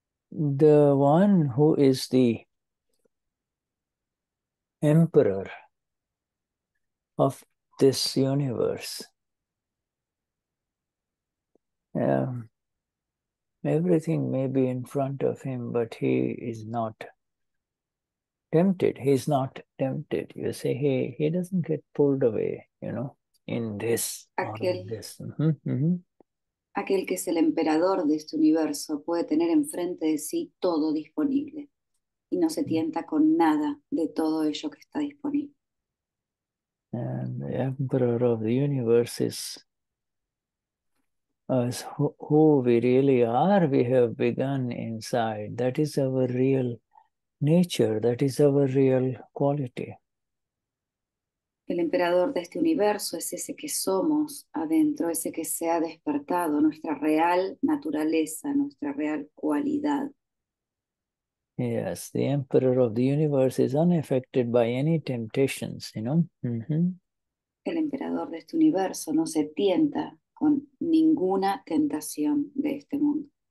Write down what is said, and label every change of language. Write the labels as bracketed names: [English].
[English] The one who is the emperor of this universe, everything may be in front of him, but he is not tempted. He's not tempted. You see, he doesn't get pulled away, you know, in this [Spanish] aquel, [English] or in this. [Spanish] Aquel que es el emperador de este universo puede tener enfrente de sí todo disponible y no se tienta con nada de todo ello que está disponible. [English] And the emperor of the universe is us, who we really are. We have begun inside. That is our real nature. That is our real quality. [Spanish] El emperador de este universo es ese que somos adentro, ese que se ha despertado, nuestra real naturaleza, nuestra real cualidad. [English] Yes, the emperor of the universe is unaffected by any temptations, you know. [Spanish] El emperador de este universo no se tienta con ninguna tentación de este mundo.